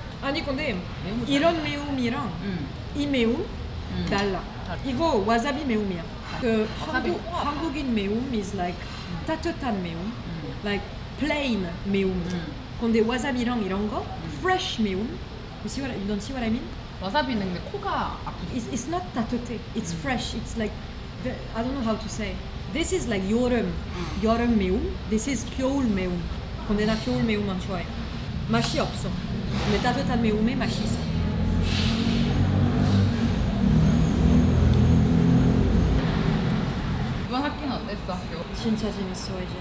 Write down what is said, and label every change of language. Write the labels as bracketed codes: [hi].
[ko] 아니 근데 이런 매움이랑 이 매움 달라. 이거 와사비 매움이야. 그 한국인 매움 [en] is like [ko] 따뜻한 매움, [en] like plain [ko] 매움. 근데 와사비랑 이런 거 fresh 매움. [en] You don't see what I mean? [ko] 와사비는 근데 코가 아프지. [en] It's not [ko] 따뜻해. [en] It's fresh. It's like I don't know how to say. This is like [ko] 여름 여름 매움. [en] This is [ko] 겨울 매움. 근데 나 겨울 매움만 좋아해. 맛이 없어. 근데 따뜻한 매움에 맛이 있어. 이번 학기는 어땠어? 학교? 진짜 재밌어 이제.